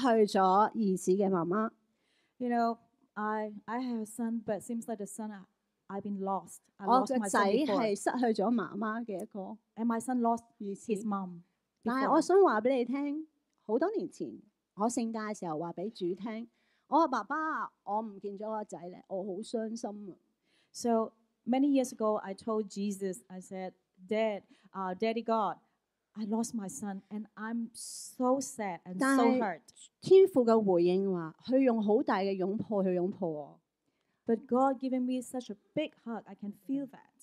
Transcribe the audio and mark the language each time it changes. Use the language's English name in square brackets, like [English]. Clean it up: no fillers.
[Cantonese] 感謝主，我係一個失去咗兒子嘅媽媽。 [English] You know, I have a son, but seems like the son I've been lost. [Cantonese] 我個仔係失去咗媽媽嘅一個。 [English] And my son lost his mom. [Cantonese] 但係我想話俾你聽，好多年前我聖誕嘅時候話俾主聽，我話爸爸，我唔見咗個仔咧，我好傷心啊。 [English] So many years ago, I told Jesus, I said, Dad, Daddy God, I lost my son, and I'm so sad and so hurt. [Cantonese] 天父嘅回應話，佢用好大嘅擁抱去擁抱我。 [English] But God giving me such a big hug, I can feel that.